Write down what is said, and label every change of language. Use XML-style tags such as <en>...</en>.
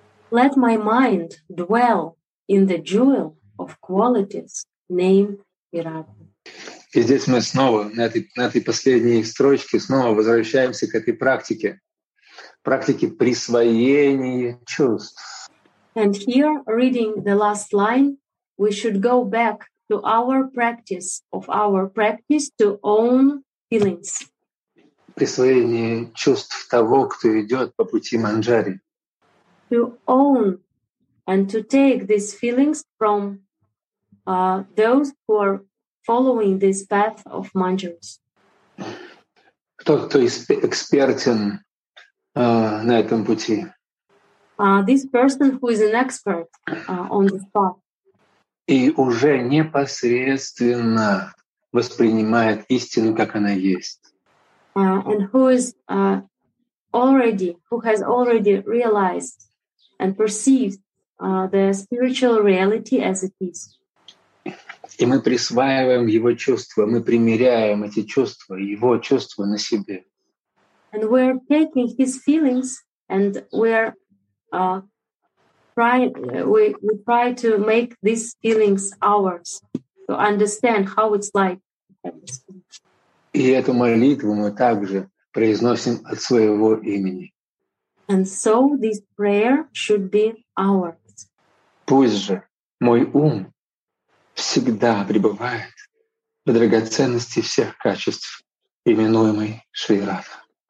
<en>Let my mind dwell in the jewel of qualities named Шри Радха.</en> <ru>И здесь мы снова на этой последней строчке снова возвращаемся к этой практике. Практике присвоения чувств.</ru> <en>And here, reading the last line, we should go back to our practice to own feelings.</en> <ru>Присвоение чувств того, кто идет по пути Манджари.</ru> <en>To own and to take these feelings from those who are following this path of Manjaris.</en> <ru>Кто экспертен на этом пути.</ru> <en>This person who is an expert on this path.</en> <ru>И уже непосредственно воспринимает истину, как она есть.</ru> <en>And who is who has already realized and perceived the spiritual reality as it is.</en> <ru>И мы присваиваем его чувства, мы примеряем эти чувства, его чувства на себе.</ru> <en>And we're taking his feelings and we try to make these feelings ours to understand how it's like to have this feeling.</en> <ru>И эту молитву мы также произносим от своего имени.</ru> <en>And so this prayer should be ours.</en> <ru>Пусть же мой ум всегда пребывает в драгоценности всех качеств, именуемой Шри Радха.</ru>